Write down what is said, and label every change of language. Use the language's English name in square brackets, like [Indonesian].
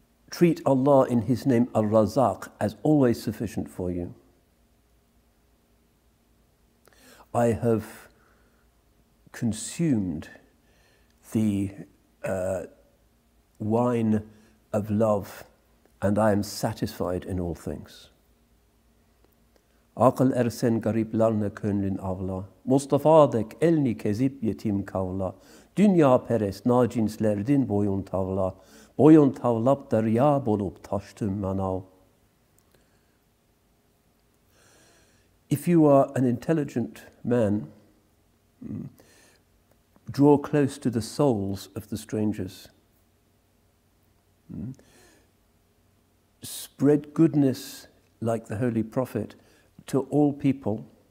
[English] Treat Allah in His name Al-Razaq as always sufficient for you. I have consumed the wine of love and I am satisfied in all things. [Chagatai] Akıl ersen gariplarına könlün avla, Mustafa dek elni kezip yetim kavla, dünya perest nacinslerdin boyun tavla, boyun tavlap derya bolup taştım manav. [English] If you are an intelligent man, draw close to the souls of the strangers. Spread goodness like the Holy Prophet to all people.